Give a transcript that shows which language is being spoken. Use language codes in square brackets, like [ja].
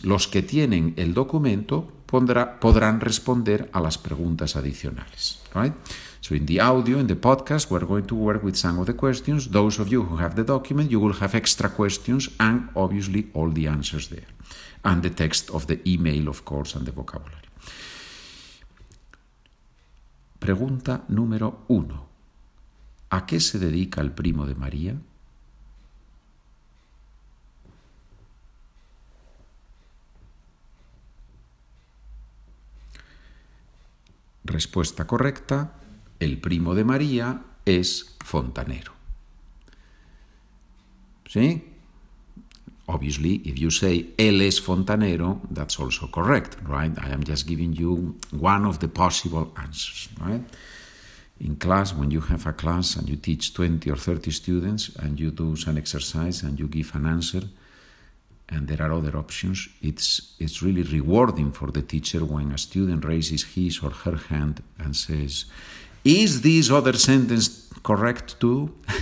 [es] Los que tienen el documento podrán responder a las preguntas adicionales. [en] Right? So in the audio, in the podcast, we're going to work with some of the questions. Those of you who have the document, you will have extra questions and obviously all the answers there. And the text of the email, of course, and the vocabulary. [es] Pregunta número uno. ¿A qué se dedica el primo de María? Respuesta correcta, el primo de María es fontanero. ¿Sí? [en] Obviously, if you say [es] él es fontanero, [en] that's also correct, right? I am just giving you one of the possible answers, right? In class, when you have a class and you teach 20 or 30 students and you do some exercise and you give an answer, and there are other options, it's really rewarding for the teacher when a student raises his or her hand and says, is this other sentence correct too?